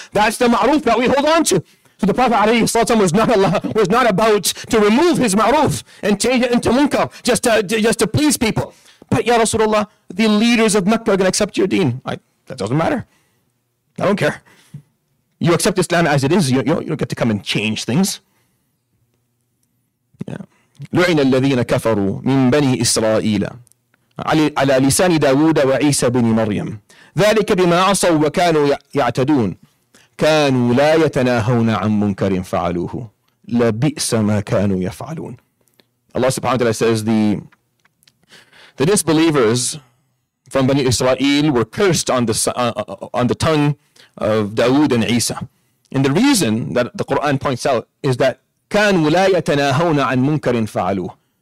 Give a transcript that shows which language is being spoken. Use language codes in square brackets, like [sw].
[en] That's the ma'ruf that we hold on to. So the Prophet alayhi salam was not about to remove his ma'ruf and change it into munkar just to please people. But ya Rasulullah, the leaders of Mecca are going to accept your deen. That doesn't matter. I don't care. You accept Islam as it is. You don't get to come and change things. [ar] Yeah. لُعِنَ الَّذِينَ كَفَرُوا مِن بَنِي إِسْرَائِيلَ على لسان داود وعيسى بن مريم، ذلك بما عصوا وكانوا يعتدون، كانوا لا يتناهون عن منكر فعلوه لبئس ما كانوا يفعلون. [en] Allah subhanahu wa ta'ala says the disbelievers from Bani Israel were cursed on the tongue of Dawood and Isa. And the reason that the Quran points out is that [ar] كانوا لا يتناهون عن منكر فعلوه.